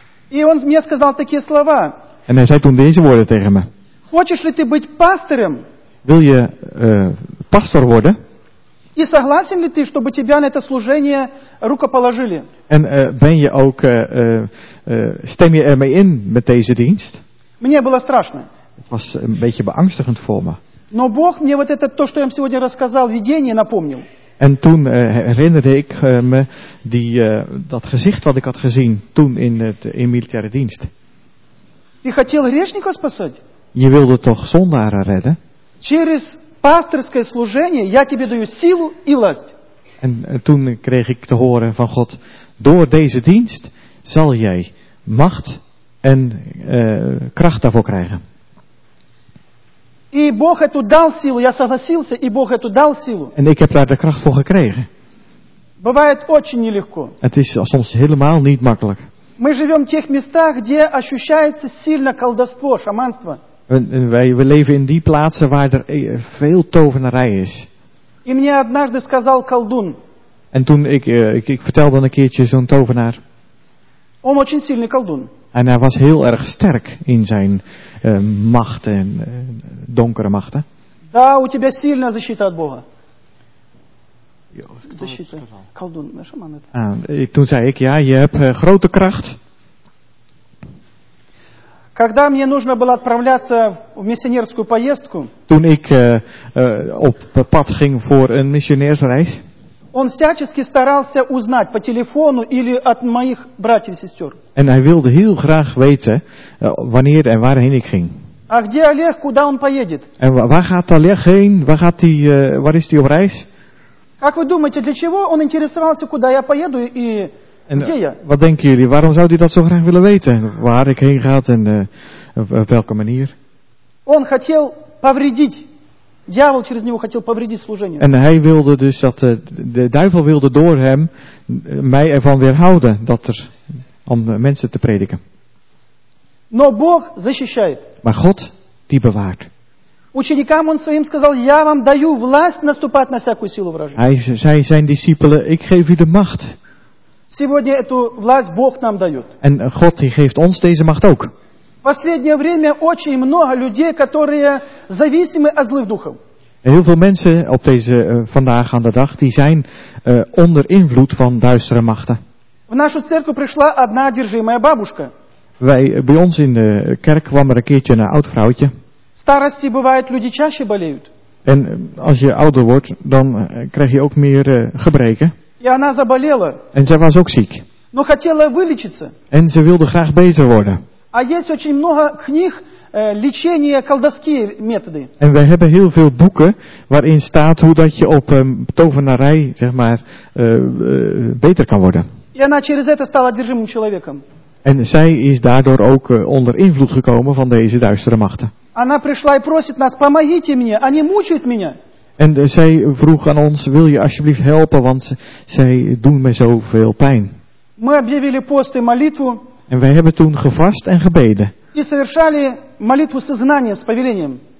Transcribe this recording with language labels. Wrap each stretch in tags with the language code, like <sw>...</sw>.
<ru>И он мне сказал такие слова.</ru> <nl>En hij zei toen deze woorden tegen me.</nl> <ru>Хочешь ли ты быть пастором?</ru> <nl>Wil je pastor worden?</nl> <ru>И согласен ли ты, чтобы тебя на это служение рукоположили?</ru> <nl>En ben je ook stem je ermee in met deze dienst?</nl> <ru>Мне было страшно.</ru> <nl>Het was een beetje beangstigend voor me.</nl> <ru>Но Бог мне вот это то, что я вам сегодня рассказал, видение напомнил.</ru> <nl>En toen herinnerde ik me dat gezicht wat ik had gezien toen in militaire dienst.</nl> <ru>Ты хотел грешников спасать?</ru> <nl>Je wilde toch zondaren redden?</nl> <ru>Через пасторское служение я тебе даю силу и власть.</ru> <nl>En toen kreeg ik te horen van God, door deze dienst zal jij macht en kracht daarvoor krijgen.</nl> <ru>И Бог эту дал силу, я согласился, и Бог эту дал силу.</ru> <nl>En ik heb daar de kracht voor gekregen.</nl> <ru>Бывает очень нелегко.</ru> <nl>Het is soms helemaal niet makkelijk.</nl> <ru>Мы живем в тех местах, где ощущается сильно колдовство, шаманство.</ru> <nl>We leven in die plaatsen waar er veel tovenarij is.</nl> <ru>И мне однажды сказал колдун.</ru> <nl>En toen ik vertelde een keertje zo'n tovenaar.</nl> <ru>Он очень сильный колдун.</ru> <nl>En hij was heel erg sterk in zijn machten, donkere machten.</nl> <ru>Да, у тебя сильная защита от Бога. Защита. Колдун, шаман.</ru> <nl>Toen zei ik, ja, je hebt grote kracht.</nl> <ru>Когда мне нужно было отправляться в миссионерскую поездку,</ru> <nl>toen ik op pad ging voor een missionairsreis,</nl> <ru>он всячески старался узнать по телефону или от моих братьев и сестер.</ru> <nl>En hij wilde heel graag weten wanneer en waarheen ik ging.</nl> <ru>А где Олег, куда он поедет?</ru> <nl>En waar gaat Олег heen? Waar gaat hij, waar is hij op reis?</nl> <ru>Как вы думаете, для чего он интересовался, куда я поеду и где я?</ru> <nl>Wat denken jullie, waarom zou hij dat zo graag willen weten? Waar ik heen ga en op welke manier?</nl> <ru>Он хотел повредить. Дьявол через него хотел повредить служение.</ru> <nl>En hij wilde dus dat de duivel wilde door hem mij ervan weerhouden dat er om mensen te prediken.</nl> <ru>Но Бог защищает.</ru> <nl>Maar God die bewaart.</nl> <ru>Ученикам он своим сказал: "Я вам даю власть наступать на всякую силу вражью".</ru> <nl>Hij zei zijn discipelen: "Ik geef u de macht".</nl> <ru>Сегодня эту власть Бог нам дает.</ru> <nl>En God die geeft ons deze macht ook.</nl> <ru>В последнее время очень много людей, которые зависимы от злых духов.</ru> <nl>Heel veel mensen op deze vandaag aan de dag die zijn onder invloed van duistere machten.</nl> <ru>В нашу церковь пришла одна одержимая бабушка.</ru> <nl>Bij ons in de kerk kwam er een keertje een oud vrouwtje.</nl> <ru>Старости бывает люди чаще болеют.</ru> <nl>En als je ouder wordt, dan krijg je ook meer gebreken.</nl> <ru>И она заболела.</ru> <nl>En zij was ook ziek.</nl> <ru>Но хотела вылечиться.</ru> <nl>En ze wilde graag beter worden.</nl> <ru>А есть очень много книг лечения колдовские методы.</ru> <nl>En we hebben heel veel boeken waarin staat hoe dat je op tovenarij zeg maar beter kan worden.</nl> <ru>И она через это стала одержимым человеком.</ru> <nl>En zij is daardoor ook onder invloed gekomen van deze duistere machten.</nl> <ru>Она пришла и просит нас: "Помогите мне, они мучают меня".</ru> <nl>En zij vroeg aan ons: "Wil je alsjeblieft helpen, want zij doen me zoveel pijn".</nl> <ru>Мы объявили пост и молитву.</ru> <nl>En wij hebben toen gevast en gebeden.</nl> <ru>И совершали молитву с сознанием, с повелением.</ru>